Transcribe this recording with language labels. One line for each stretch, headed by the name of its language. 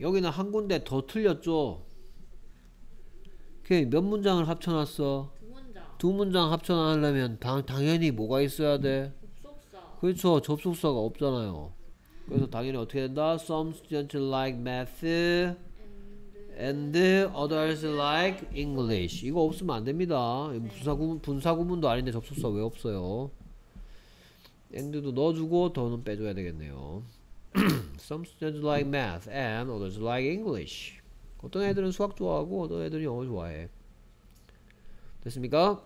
Korean: 여기는 한 군데 더 틀렸죠? Okay. 몇 문장을 합쳐놨어? 두 문장 합쳐놓으려면 당연히 뭐가 있어야 돼? 그렇죠. 접속사가 없잖아요. 그래서 당연히 어떻게 된다?
English: Some students like math and others like English.
Korean: 이거 없으면 안 됩니다. 분사 구문도 아닌데 접속사 왜 없어요? and도 넣어주고 더는 빼줘야 되겠네요.
English: Some students like math and others like English.
Korean: 어떤 애들은 수학 좋아하고 어떤 애들은 영어 좋아해. 됐습니까?